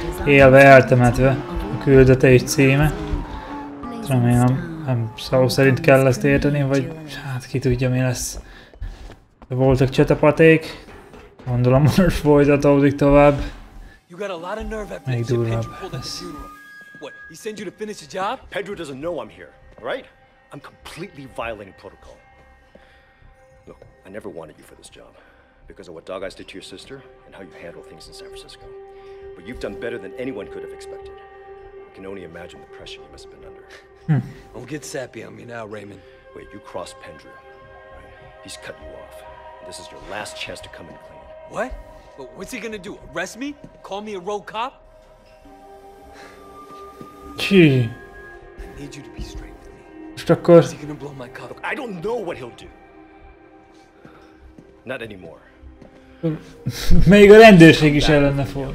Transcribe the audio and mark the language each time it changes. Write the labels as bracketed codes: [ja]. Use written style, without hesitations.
[hu] Élve, eltemetve. Küldetés címe. Remélem, nem szó szerint kell ezt érteni, vagy hát ki tudja, mi lesz. Voltak csetepaték. Gondolom, most folytatódik tovább. Még durvább lesz. [en] What? He sends you to finish the job? Pedro doesn't know I'm here, alright? I'm completely violating protocol. Look, I never wanted you for this job. Because of what Dog Eyes did to your sister, and how you handle things in San Francisco. But you've done better than anyone could have expected. I can only imagine the pressure you must have been under. Don't get sappy on me now, Raymond. Wait, you crossed Pendrew, right? He's cut you off. This is your last chance to come in clean. What? But what's he gonna do? Arrest me? Call me a rogue cop? Gee. I need you to be straight with me. Stokos. Is he gonna blow my cover? Look, I don't know what he'll do. Not anymore. [hu] Még a rendőrség is ellene fordul.